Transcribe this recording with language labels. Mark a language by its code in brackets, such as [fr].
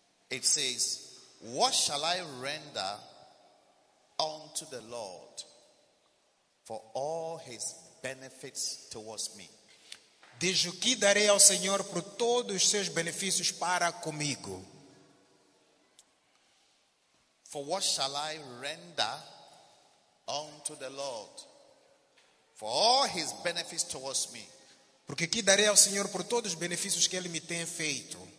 [en] It says, "What shall I render unto the Lord for all his benefits towards me?" [pt] Diz: o que darei ao Senhor por todos os seus benefícios para comigo? [en] For what shall I render unto the Lord for all his benefits towards me? [pt] Porque que darei ao Senhor por todos os benefícios que ele me tem feito?